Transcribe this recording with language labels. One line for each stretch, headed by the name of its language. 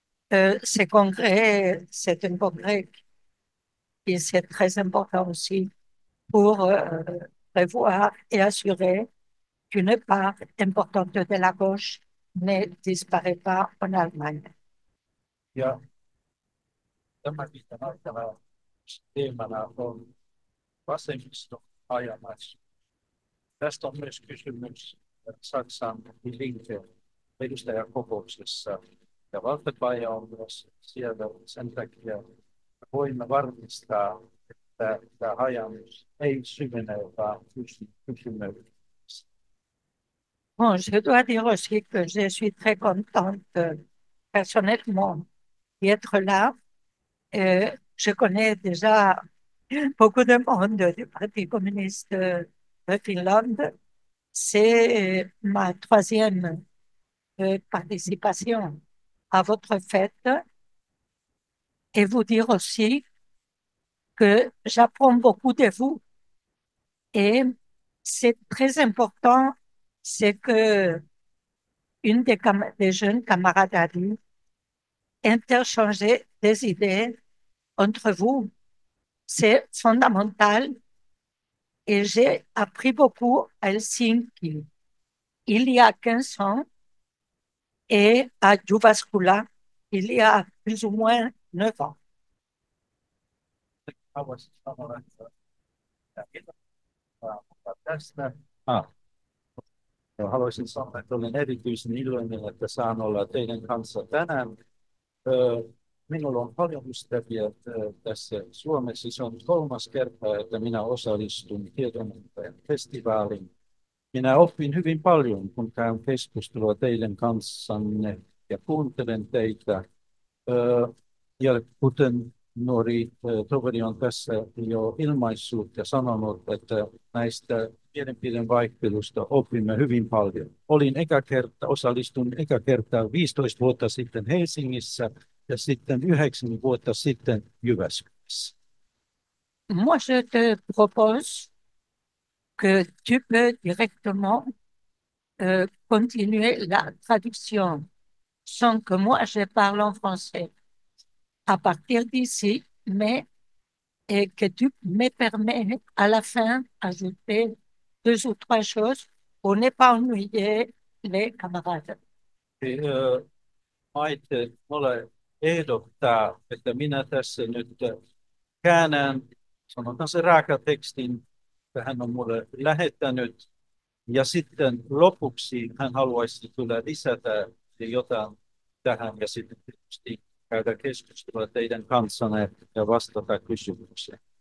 French: Ce congrès, c'est un congrès et c'est très important aussi pour prévoir et assurer qu'une part importante de la gauche ne disparaît pas en Allemagne.
Finnish: Ja tämäkin näyttävä teemana on vasemmiston ajamassa. Tästä on myös kysymys Saksan Linken edustajakokouksessa. Ja Walter Bayer on myös siellä sen takia, että voimme varmistaa, että tämä hajaannus ei syvene, vaan pysymme.
French: Bon, je dois dire aussi que je suis très contente personnellement d'être là. Je connais déjà beaucoup de monde du Parti communiste de Finlande. C'est ma troisième participation à votre fête. Et vous dire aussi que j'apprends beaucoup de vous. Et c'est très important. C'est que une des jeunes camarades a dit, interchanger des idées entre vous, c'est fondamental. Et j'ai appris beaucoup à Helsinki il y a 15 ans et à Jyväskylä il y a plus ou moins 9 ans.
Finnish: Haluaisin sanoa, haluaisin sanoa, että olen erityisen iloinen, että saan olla teidän kanssa tänään. Minulla on paljon ystäviä tässä Suomessa. Se on kolmas kerta, että minä osallistun tietokoneen festivaaliin. Minä opin hyvin paljon, kun käyn keskustelua teidän kanssanne ja kuuntelen teitä. Ja kuten nuori toveri on tässä jo ilmaissut ja sanonut, että näistä mielipiteen vaihtelusta opimme hyvin paljon. Osallistun eka kertaa 15 vuotta sitten Helsingissä ja sitten 9 vuotta sitten Jyväskylässä.
French: Moi, je te propose que tu peux directement continuer la traduction sans que moi je parle en français à partir d'ici, mais et que tu me permets à la fin d'ajouter deux ou trois choses pour ne pas ennuyer les camarades.
Finnish: Maite mulle ehdottaa, että minä tässä nyt käännän, sanotaan se raaka tekstin, että hän on mulle lähettänyt. Ja sitten lopuksi hän haluaisi kyllä lisätä jotain tähän ja sitten tietysti käydä keskustelua teidän kanssanne ja vastata kysymykseen.